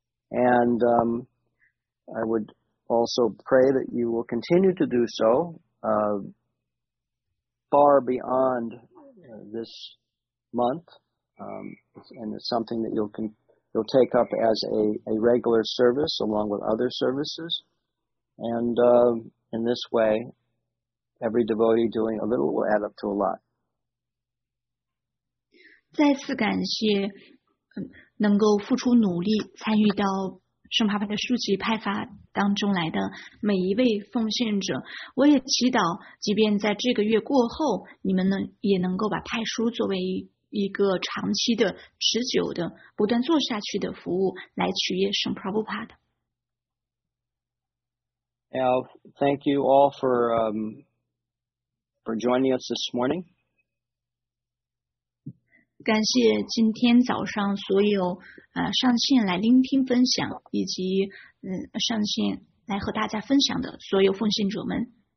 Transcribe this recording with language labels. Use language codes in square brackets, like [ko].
[en] And I would also pray that you will continue to do so far beyond this month. And it's something that you'll take up as a regular service along with other services. And in this way, every devotee doing a little will add up to a lot. [zh] 再次感谢能够付出努力参与到圣帕帕的书籍派发当中来的每一位奉献者。我也祈祷即便在这个月过后，你们也能够把派书作为一个长期的、持久的、不断做下去的服务来取悦圣帕布帕的。 [en] Now, thank you all for joining us this morning. [zh] 感谢今天早上所有上线来聆听分享以及上线来和大家分享的所有奉献者们。